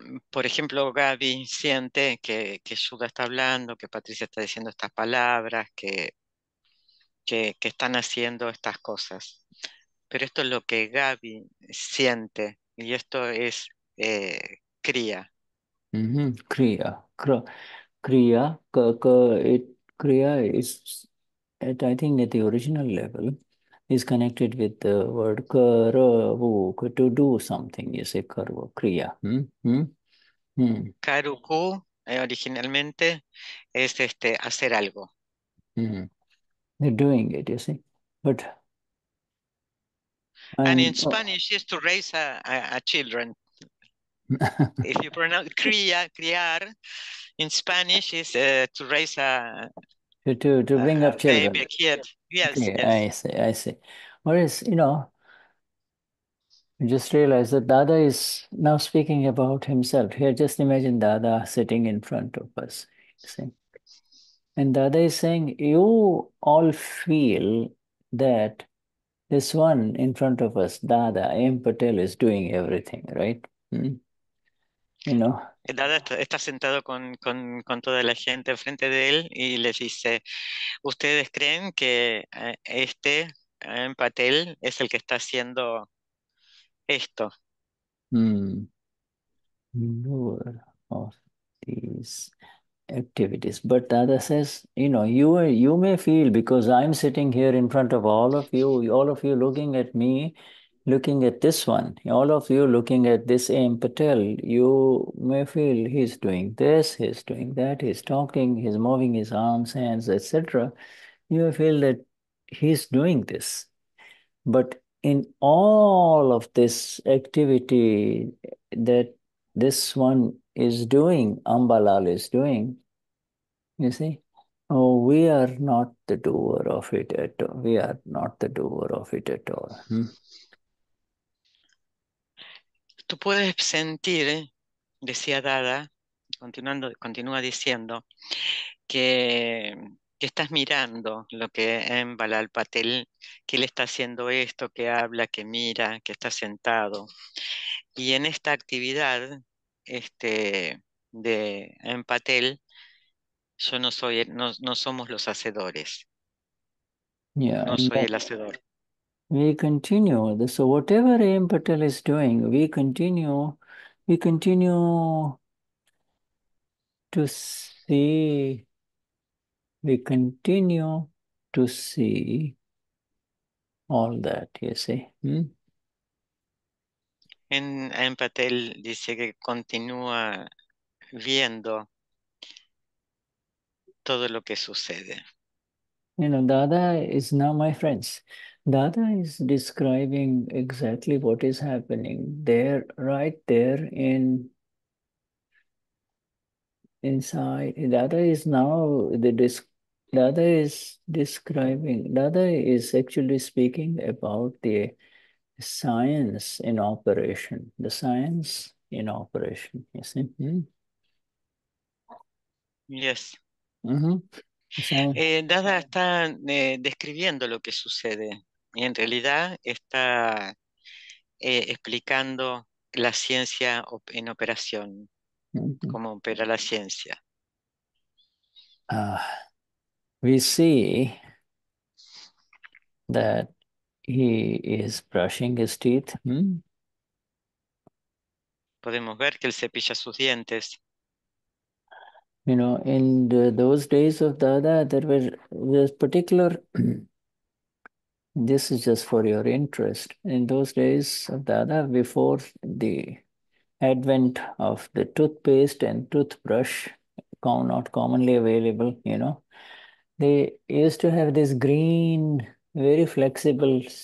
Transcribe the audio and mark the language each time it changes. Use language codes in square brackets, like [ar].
[es] Por ejemplo, Gaby siente que Shuddha está hablando, que Patricia está diciendo estas palabras, que están haciendo estas cosas. Pero esto es lo que Gaby siente, y esto es Kriya. Kriya. Kriya. [en] Kriya is, I think at the original level, is connected with the word karavu, to do something. You say karavu, Kriya. [es] Karuku originalmente es hacer algo. [en] They're doing it, you see. But and in Spanish is to raise a children. If you pronounce criar in Spanish is to raise a to bring up children. Baby, kid. Yes. I see. Whereas, you know, you just realize that Dada is now speaking about himself. Here, just imagine Dada sitting in front of us. See? And Dada is saying, you all feel that this one in front of us, Dada, M. Patel, is doing everything, right? You know? [es] Dada está sentado con toda la gente frente de él y les dice, ¿ustedes creen que este M. Patel es el que está haciendo esto? [en] Lord of these activities. But Dada says, you know, you may feel, because I'm sitting here in front of all of you looking at me, looking at this one, all of you looking at this A.M. Patel, you may feel he's doing this, he's doing that, he's talking, he's moving his arms, hands, etc. You may feel that he's doing this. But in all of this activity that this one is doing, Ambalal is doing, you see, oh, we are not the doer of it at all. We are not the doer of it at all. [es] Tú puedes sentir, decía Dada, continúa diciendo, que estás mirando lo que en Balal Patel, que él está haciendo esto, que habla, que mira, que está sentado. Y en esta actividad de en Patel, yo no soy, no somos los hacedores. [en] Yeah, [es] no soy el hacedor. [en] We continue. So whatever A.M. Patel is doing, we continue to see. We continue to see all that, you see. [es] En A.M. Patel dice que continúa viendo todo lo que sucede. [en] You know, Dada is now my friends. Dada is describing exactly what is happening there, right there inside. Dada is actually speaking about the science in operation, the science in operation, you see? Yes. [es] Dada está describiendo lo que sucede y en realidad está explicando la ciencia en operación, cómo opera la ciencia. [en] We see that he is brushing his teeth. [es] Podemos ver que él cepilla sus dientes. [en] You know, in those days of Dada, there were this particular, this is just for your interest, in those days of Dada, before the advent of the toothpaste and toothbrush, not commonly available, you know, they used to have this green, very flexible